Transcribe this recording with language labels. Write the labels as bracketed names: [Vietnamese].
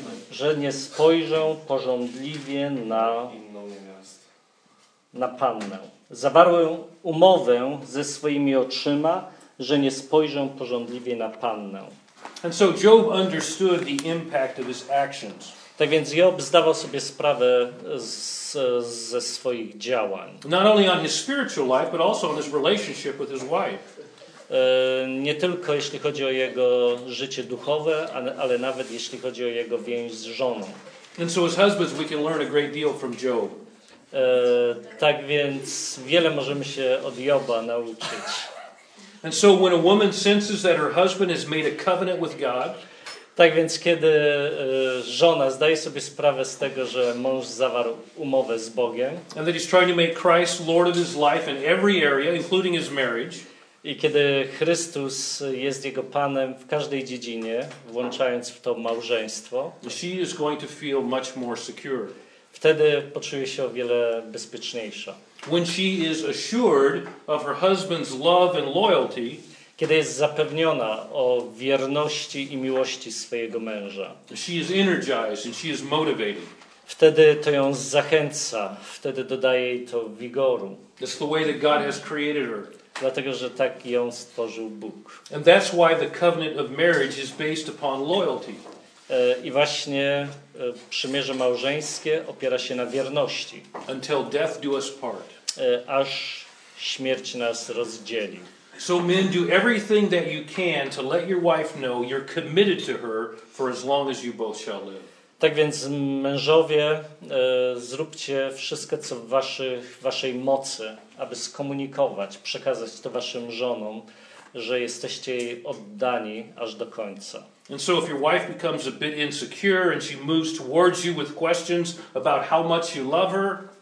[Polish] Że nie spojrzę pożądliwie na inną niewiastę. Na pannę. Zawarłem umowę ze swoimi oczyma, że nie spojrzę pożądliwie na pannę. [English] And so Job understood the impact of his actions. [Polish] Tak więc Job zdawał sobie sprawę ze swoich działań. [English] Not only on his spiritual life, but also on his relationship with his wife. [Polish] Nie tylko jeśli chodzi o jego życie duchowe, ale nawet jeśli chodzi o jego więź z żoną. [English] And so as husbands we can learn a great deal from Job. [Polish] Tak więc wiele możemy się od Joba nauczyć. [English] And so when a woman senses that her husband has made a covenant with God, [Polish] tak więc kiedy żona zdaje sobie sprawę z tego, że mąż zawarł umowę z Bogiem, [English] and that he's trying to make Christ Lord of his life in every area, including his marriage, [Polish] i kiedy Chrystus jest jego panem w każdej dziedzinie, włączając w to małżeństwo, [English] she is going to feel much more secure. [Polish] Wtedy poczuje się o wiele bezpieczniejsza. [English] When she is assured of her husband's love and loyalty, [Polish] kiedy jest zapewniona o wierności i miłości swojego męża, [English] she is energized and she is motivated. [Polish] Wtedy to ją zachęca, wtedy dodaje jej to wigoru. [English] That's the way that God has created her. [Polish] Dlatego, że tak ją stworzył Bóg. [English] And that's why the covenant of marriage is based upon loyalty. [Polish] I właśnie przymierze małżeńskie opiera się na wierności. [English] Until death do us part. [Polish] Aż śmierć nas rozdzieli. [English] So men, do everything that you can to let your wife know you're committed to her for as long as you both shall live. [Polish] Tak więc mężowie, zróbcie wszystko co w waszej mocy, aby skomunikować, przekazać to waszym żonom, że jesteście jej oddani aż do końca. [English] And so if your wife becomes a bit insecure and she moves towards you with questions about how much you love her,